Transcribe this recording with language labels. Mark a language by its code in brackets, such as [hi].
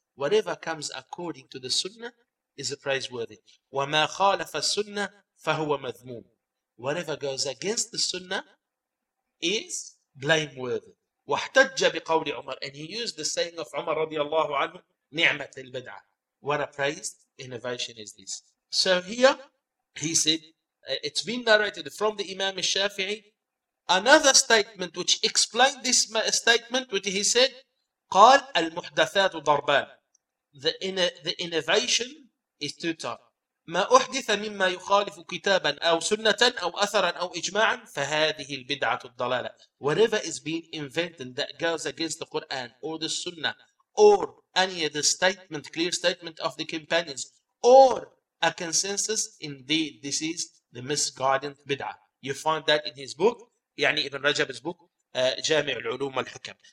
[en] Whatever comes according to the sunnah is a praiseworthy. [ar] Wa ma khalafa sunnah fahuwa mathmum. [en] Whatever goes against the sunnah is blameworthy. [ar] واحتج بقول عمر, [en] and he used the saying of [ar] عمر رضي الله عنه, نعمة البدعة. [en] What a praised innovation is this. So here he said, it's been narrated from the Imam al-Shafi'i, another statement which explained this statement, which he said, [ar] قال المحدثات ضربان. [en] The innovation is two types. [ar] ما أحدث مما يخالف كتابا أو سنة أو أثرا أو إجماعا فهذه البدعة الضلالة. [en] Whatever is being invented that goes against the Quran or the Sunnah or any of the statement, clear statement of the companions or a consensus, indeed this is the misguided بدعة. You find that in his book, يعني Ibn Rajab's book, جامع العلوم والحكم.